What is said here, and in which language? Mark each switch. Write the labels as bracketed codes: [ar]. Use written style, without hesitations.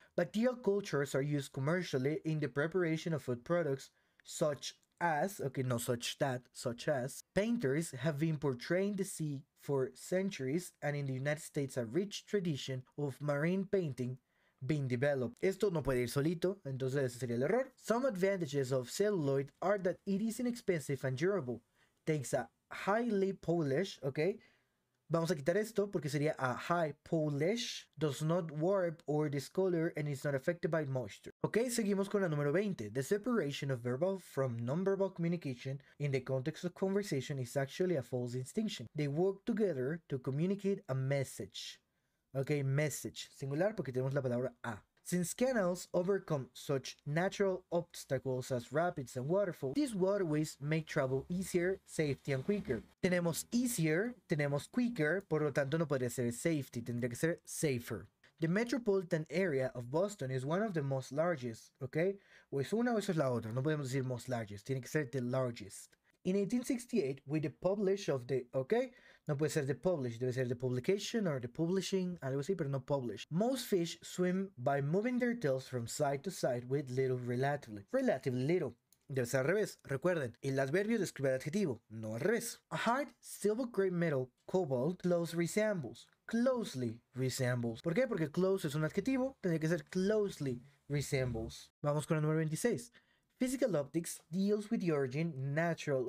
[en] Bacterial cultures are used commercially in the preparation of food products, such as, okay, no such that, such as. Painters have been portraying the sea for centuries, and in the United States, a rich tradition of marine painting been developed. [es] Esto no puede ir solito, entonces ese sería el error. [en] Some advantages of celluloid are that it is inexpensive and durable. Takes a highly polish, okay. [es] Vamos a quitar esto porque sería [en] a high polish. Does not warp or discolor and is not affected by moisture. Okay, [es] seguimos con la número 20. [en] The separation of verbal from nonverbal communication in the context of conversation is actually a false distinction. They work together to communicate a message. Okay, message. [es] Singular porque tenemos la palabra a. [en] Since canals overcome such natural obstacles as rapids and waterfalls, these waterways make travel easier, safety, and quicker. [es] Tenemos easier, tenemos quicker, por lo tanto no podría ser safety, tendría que ser safer. [en] The metropolitan area of Boston is one of the most largest, okay? [es] O es una o eso es la otra, no podemos decir [en] most largest, [es] tiene que ser [en] the largest. In 1868, with the publish of the, [es] okay, no puede ser the publish, debe ser [en] the publication or the publishing, [es] algo así, pero no publish. [en] Most fish swim by moving their tails from side to side with little relatively. Relatively little. [es] Debe ser al revés, recuerden. El adverbio describe el adjetivo, no al revés. [en] A hard silver gray metal, cobalt, close resembles. Closely resembles. [es] ¿Por qué? Porque close es un adjetivo, tendría que ser [en] closely resembles. [es] Vamos con el número 26. [en] Physical optics deals with the origin, natural.